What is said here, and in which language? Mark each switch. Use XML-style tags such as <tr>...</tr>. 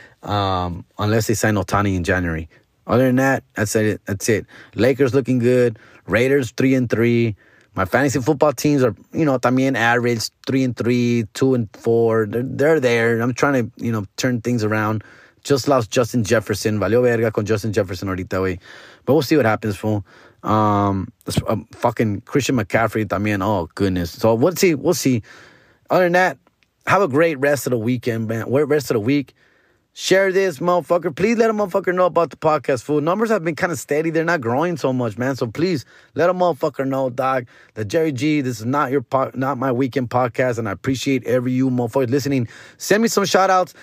<en>Unless they sign Ohtani in January. Other than that, that's it. That's it. Lakers looking good. Raiders 3-3. My fantasy football teams are, you know, también average, 3-3, 2-4. They're there. I'm trying to, you know, turn things around. Just lost Justin Jefferson.</en> <es>Valió verga con Justin Jefferson ahorita, güey.</es> <en>But we'll see what happens, fool. Fucking Christian McCaffrey también. Oh, goodness. So we'll see. We'll see. Other than that, have a great rest of the weekend, man. Rest of the week. Share this, motherfucker. Please let a motherfucker know about the podcast, fool. Numbers have been kind of steady. They're not growing so much, man. So please let a motherfucker know, dog, that Jerry G, this is not your not my weekend podcast, and I appreciate every you motherfuckers listening. Send me some shout-outs.</en>